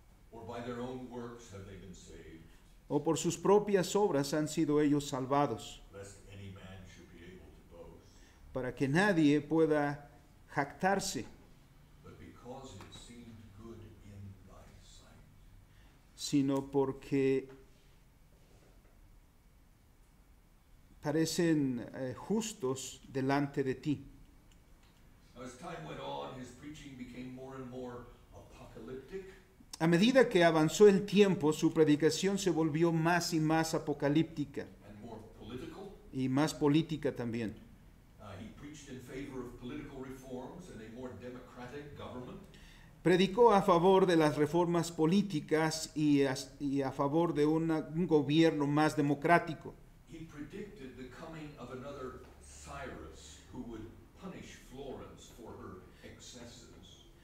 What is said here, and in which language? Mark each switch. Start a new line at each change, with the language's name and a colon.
English: or by their own works have they been saved.
Spanish: O por sus propias obras han sido ellos salvados,
English: lest any man should be able to boast.
Spanish: Para que nadie pueda jactarse,
English: but because it seemed good in thy sight.
Spanish: Sino porque parecen justos delante de ti.
English: As time went on, his preaching became more and more apocalyptic.
Spanish: A medida que avanzó el tiempo, su predicación se volvió más y más apocalíptica.
English: And more political.
Spanish: Y más política también.
English: He preached in favor of political reforms and a more democratic government.
Spanish: Predicó a favor de las reformas políticas y a favor de un gobierno más democrático.
English: He predicted the coming of another Cyrus who would punish Florence for her excesses.